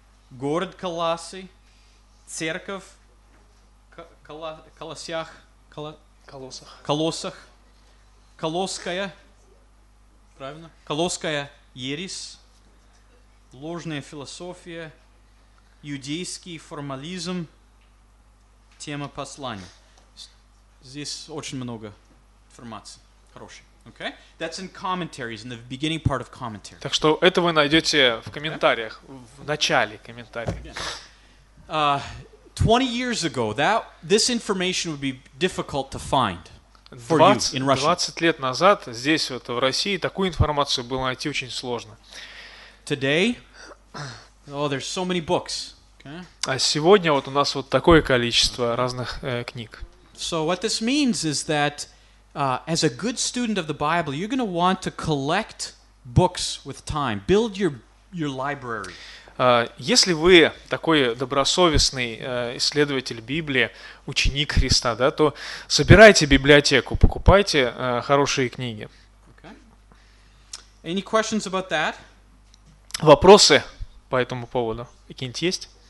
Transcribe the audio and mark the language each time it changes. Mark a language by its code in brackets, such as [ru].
[ru] Город Колоссы, церковь Колоссах, Колосская, правильно? Колосская ересь, ложная философия, иудейский формализм, тема послания. Здесь очень много информации хорошей. [en] Okay? That's in commentaries, in the beginning part of commentaries. [ru] Так что это вы найдете в комментариях, в начале комментариев. [en] 20 years ago, this information would be difficult to find for you in Russia. [ru] 20 лет назад здесь вот в России такую информацию было найти очень сложно. [en] Today, there's so many books. Okay? [ru] А сегодня вот у нас вот такое количество разных книг. [en] So what this means is that as a good student of the Bible, you're going to want to collect books with time. Build your library. [ru] Если вы такой добросовестный исследователь Библии, ученик Христа, да, то собирайте библиотеку, покупайте хорошие книги. [en] Okay. Any questions about that? [ru] Вопросы по этому поводу какие-нибудь есть?